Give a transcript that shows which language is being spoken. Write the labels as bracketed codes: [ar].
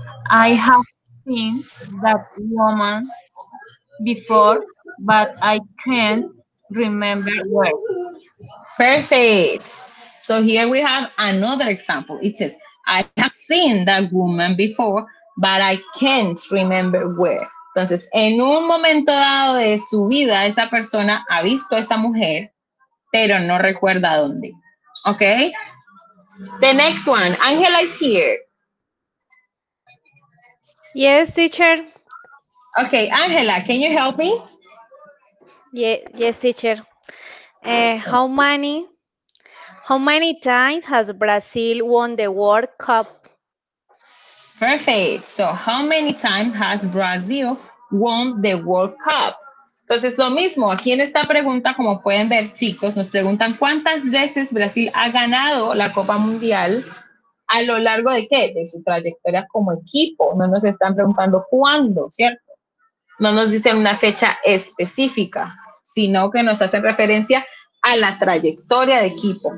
[en] I have seen that woman before, but I can't remember where. Perfect. So here we have another example. It says, I have seen that woman before, but I can't remember where. [es] Entonces, en un momento dado de su vida, esa persona ha visto a esa mujer, pero no recuerda dónde. [en] Okay? The next one. Angela is here. Yes, teacher. Okay, Angela, can you help me? Yes, teacher. How many times has Brazil won the World Cup? Perfect. So, how many times has Brazil won the World Cup? [es] Entonces, lo mismo, aquí en esta pregunta, como pueden ver, chicos, nos preguntan cuántas veces Brasil ha ganado la Copa Mundial. ¿A lo largo de qué? De su trayectoria como equipo. No nos están preguntando cuándo, ¿cierto? No nos dicen una fecha específica, sino que nos hacen referencia a la trayectoria de equipo.